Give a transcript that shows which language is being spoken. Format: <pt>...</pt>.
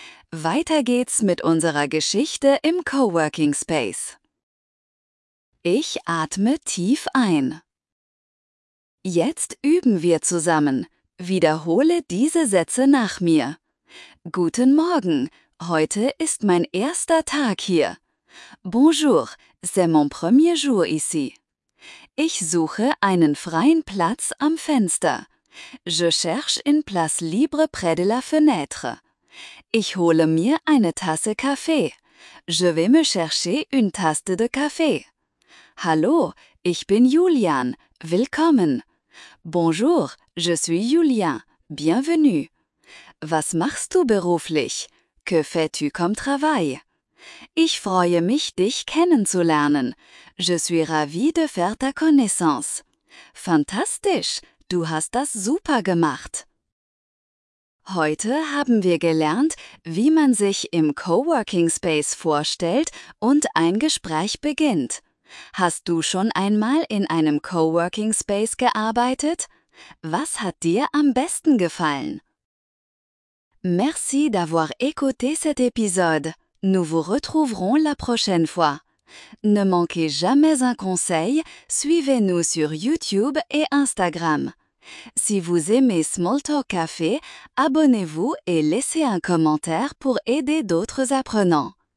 <de>Weiter geht's mit unserer Geschichte im Coworking Space. Ich atme tief ein. Jetzt üben wir zusammen. Wiederhole diese Sätze nach mir. Guten Morgen. Heute ist mein erster Tag hier.</de> <fr>Bonjour. C'est mon premier jour ici.</fr> <de>Ich suche einen freien Platz am Fenster.</de> <fr>Je cherche une place libre près de la fenêtre.</fr> <de>Ich hole mir eine Tasse Kaffee.</de> <fr>Je vais me chercher une tasse de café.</fr> <de>Hallo, ich bin Julian. Willkommen.</de> <fr>Bonjour, je suis Julien. Bienvenue.</fr> <de>Was machst du beruflich?</de> <fr>Que fais-tu comme travail?</fr> <de>Ich freue mich, dich kennenzulernen.</de> <fr>Je suis ravi de faire ta connaissance.</fr> <de>Fantastisch, du hast das super gemacht. Heute haben wir gelernt, wie man sich im Coworking Space vorstellt und ein Gespräch beginnt. Hast du schon einmal in einem Coworking Space gearbeitet? Was hat dir am besten gefallen?</de> <fr>Merci d'avoir écouté cet épisode. Nous vous retrouverons la prochaine fois. Ne manquez jamais un conseil, suivez-nous sur YouTube et Instagram. Si vous aimez Smalltalk Café, abonnez-vous et laissez un commentaire pour aider d'autres apprenants.</fr>